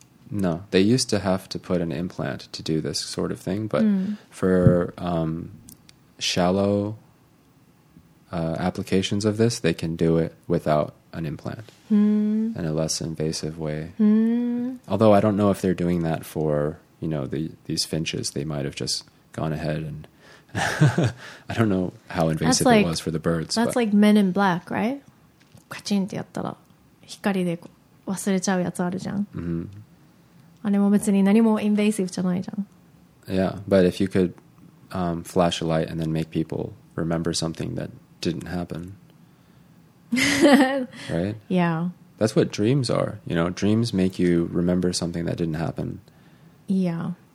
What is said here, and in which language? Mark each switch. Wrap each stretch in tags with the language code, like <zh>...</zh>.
<en>No, they used to have to put an implant to do this sort of thing, but for shallow applications of this, they can do it without an implant in a less invasive way. Although I don't know if they're doing that for, you know, these finches. They might have just gone ahead andI don't know how invasive like, it was for the birds. That's like Men in Black, right?</en> <ja>カチンってやったら光で忘れちゃうやつあるじゃん。あれも別に何もインベーシブじゃないじゃん。</ja> <en>Yeah, but if you could flash a light and then make people remember something that didn't happen. Right? Yeah. That's what dreams are. You know, dreams make you remember something that didn't happen. Yeah.</en>